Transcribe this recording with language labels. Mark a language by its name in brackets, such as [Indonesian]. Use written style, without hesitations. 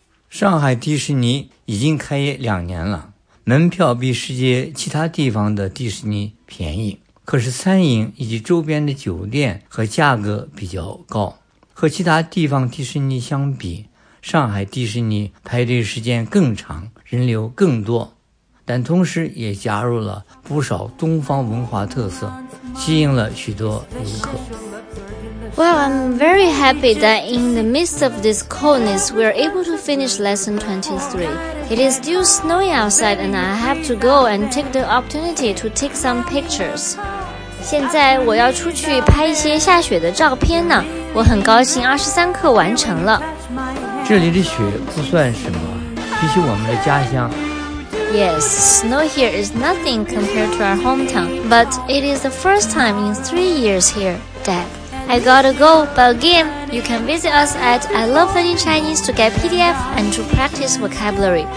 [Chinese] 上海迪士尼已经开业两年了，门票比世界其他地方的迪士尼便宜，可是餐饮以及周边的酒店和价格比较高。和其他地方迪士尼相比，上海迪士尼排队时间更长，人流更多，但同时也加入了不少东方文化特色，吸引了许多游客。 [English] Well, I'm very happy that in the midst of this coldness, we are able to finish lesson 23. It is still snowing outside and I have to go and take the opportunity to take some pictures. [Chinese] 现在我要出去拍一些下雪的照片呢。我很高兴23课完成了。这里的雪不算什么，比起我们的家乡。 [English] Yes, snow here is nothing compared to our hometown, but it is the first time in 3 years here, Dad. I gotta go, but again, you can visit us at I Love Learning Chinese to get PDF and to practice vocabulary.